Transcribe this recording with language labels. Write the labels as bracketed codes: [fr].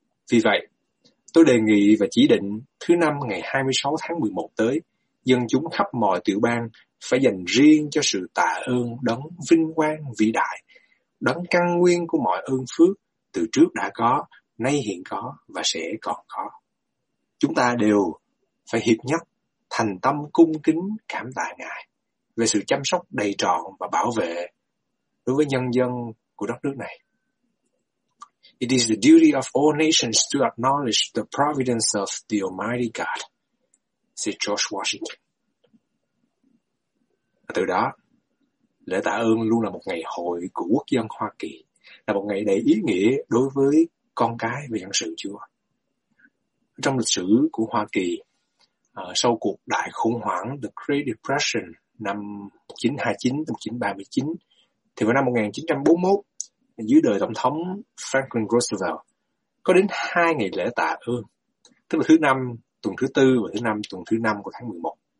[vi] Vì vậy, tôi đề nghị và chỉ định thứ năm ngày 26 tháng 11 tới, dân chúng khắp mọi tiểu bang phải dành riêng cho sự tạ ơn đấng vinh quang vĩ đại, đấng căn nguyên của mọi ơn phước từ trước đã có, nay hiện có và sẽ còn có. Chúng ta đều phải hiệp nhất, thành tâm cung kính cảm tạ Ngài về sự chăm sóc đầy trọn và bảo vệ đối với nhân dân của đất nước này. [en] It is the duty of all nations to acknowledge the providence of the Almighty God, said George Washington. [vi] Và từ đó, lễ tạ ơn luôn là một ngày hội của quốc dân Hoa Kỳ, là một ngày đầy ý nghĩa đối với con cái và dân sự Chúa. Trong lịch sử của Hoa Kỳ, sau cuộc đại khủng hoảng The Great Depression năm 1929-1939, thì vào năm 1941, dưới đời Tổng thống Franklin Roosevelt, có đến hai ngày lễ tạ ơn, tức là thứ năm tuần thứ tư và thứ năm tuần thứ năm của tháng 11.